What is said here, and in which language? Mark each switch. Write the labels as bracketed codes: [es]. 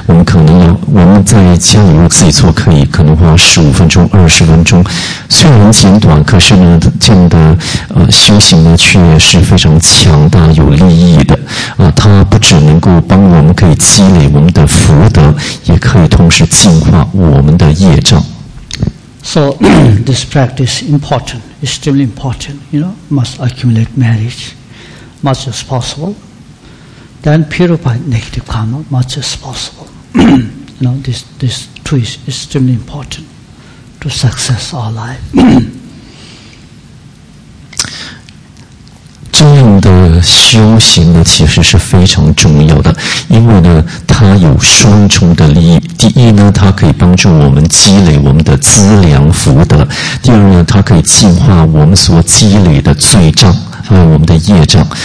[zh] 我们可能要我们在家里如果自己做可以，可能花15分钟、20分钟，虽然简短，可是呢，这样的修行呢，却是非常强大、有利益的。它不只能够帮我们可以积累我们的福德，也可以同时净化我们的业障。 [en] So this practice important, extremely important, you know, must accumulate merit much as possible. Then purify negative karma much as possible. You know, this two is extremely important to success our life. [zh] 这样的修行呢，其实是非常重要的，因为呢，它有双重的利益。第一呢，它可以帮助我们积累我们的资粮福德；第二呢，它可以净化我们所积累的罪障，还有我们的业障。